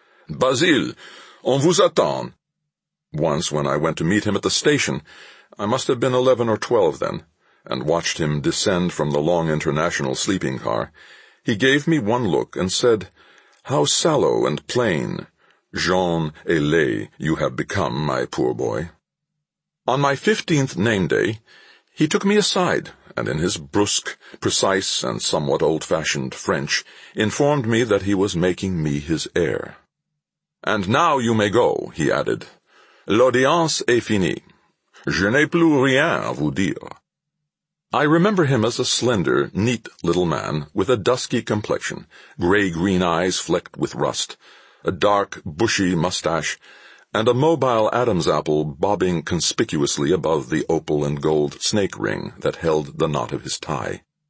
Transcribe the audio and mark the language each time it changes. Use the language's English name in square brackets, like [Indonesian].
[French] "Basile, on vous attend." [English] Once, when I went to meet him at the station, I must have been 11 or 12 then, and watched him descend from the long international sleeping car, he gave me one look and said, "How sallow and plain, Jean et Lay, you have become, my poor boy." On my 15th name day, he took me aside, and in his brusque, precise, and somewhat old-fashioned French, informed me that he was making me his heir. "And now you may go," he added. [French] "L'audience est finie. Je n'ai plus rien à vous dire." [English] I remember him as a slender, neat little man with a dusky complexion, gray-green eyes flecked with rust, a dark, bushy mustache, and a mobile Adam's apple bobbing conspicuously above the opal and gold snake ring that held the knot of his tie.